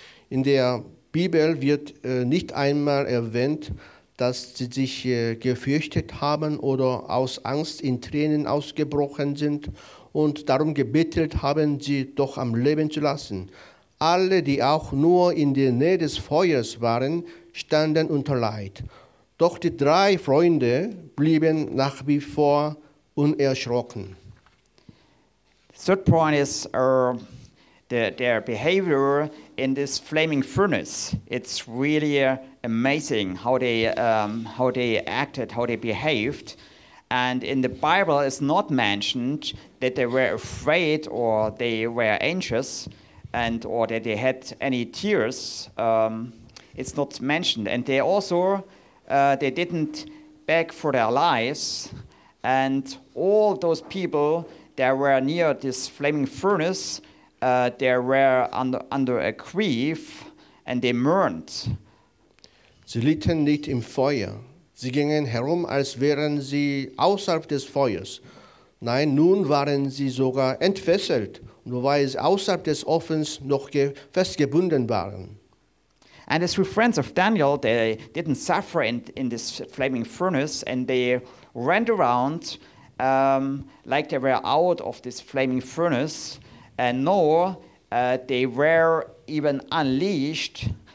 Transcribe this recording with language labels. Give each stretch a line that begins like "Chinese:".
German: In der Bibel wird nicht einmal erwähnt, dass sie sich gefürchtet haben oder aus Angst in Tränen ausgebrochen sind und darum gebettelt haben, sie doch am Leben zu lassen. Alle, die auch nur in der Nähe des Feuers waren, standen unter Leid. Doch die drei Freunde blieben nach wie vor unerschrocken.
English: Third point is their behavior in this flaming furnace. It's really amazing how they acted, how they behaved. And in the Bible, it's not mentioned that they were afraid or they were anxious, and or that they had any tears. It's not mentioned. And they also they didn't beg for their lives. And all those people that were near this flaming furnace, they were under a grief, and they mourned.
German: Sie litten nicht im Feuer. Sie gingen herum, als wären sie außerhalb des Feuers. Nein, nun waren sie sogar entfesselt, nur weil sie außerhalb des Ofens noch festgebunden waren.
English: And the three friends of Daniel, they didn't suffer in this flaming furnace, and they ran around like they were out of this flaming furnace, and nor they were even unleashed.